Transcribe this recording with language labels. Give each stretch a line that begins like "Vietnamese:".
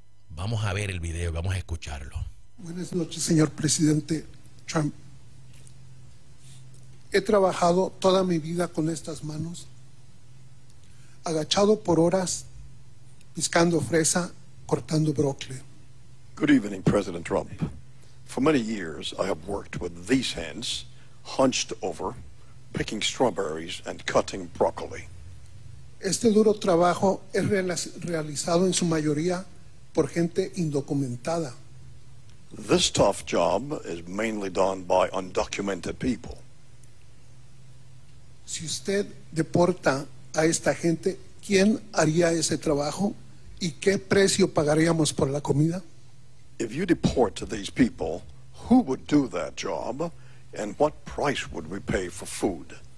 Spanish: Vamos a ver el video, vamos a escucharlo. Buenas noches, señor presidente Trump. He trabajado toda mi vida con estas manos, agachado por horas, piscando fresa, cortando brócoli.
English: Good evening, President Trump. For many years, I have worked with these hands, hunched over, picking strawberries and cutting broccoli.
Spanish: Este duro trabajo es realizado en su mayoría por gente indocumentada.
English: This tough job is mainly done by undocumented people.
Spanish: Si usted deporta a esta gente, ¿quién haría ese trabajo y qué precio pagaríamos por la comida?
English: If you deport these people, who would do that job and what price would we pay for food?